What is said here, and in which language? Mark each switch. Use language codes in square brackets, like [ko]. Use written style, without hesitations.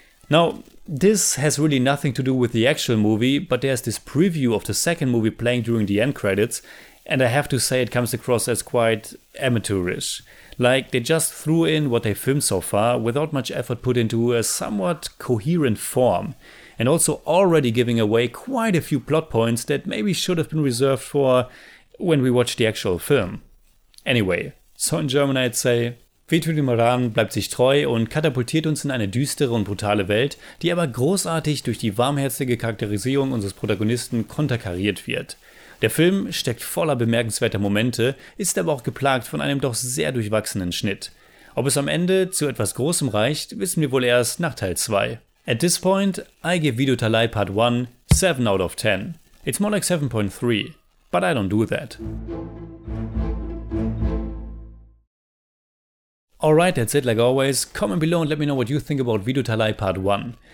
[en] Now, this has really nothing to do with the actual movie, but there's this preview of the second movie playing during the end credits, and I have to say it comes across as quite amateurish. Like, they just threw in what they filmed so far without much effort put into a somewhat coherent form, and also already giving away quite a few plot points that maybe should have been reserved for when we watch the actual film. Anyway, so in German I'd say, [de] Vetrimaaran bleibt sich treu und katapultiert uns in eine düstere und brutale Welt, die aber großartig durch die warmherzige Charakterisierung unseres Protagonisten konterkariert wird. Der Film steckt voller bemerkenswerter Momente, ist aber auch geplagt von einem doch sehr durchwachsenen Schnitt. Ob es am Ende zu etwas Großem reicht, wissen wir wohl erst nach Teil 2. [en] At this point, I give Viduthalai Part 1 7 out of 10. It's more like 7.3, but I don't do that. Alright, that's it like always. Comment below and let me know what you think about Viduthalai Part 1.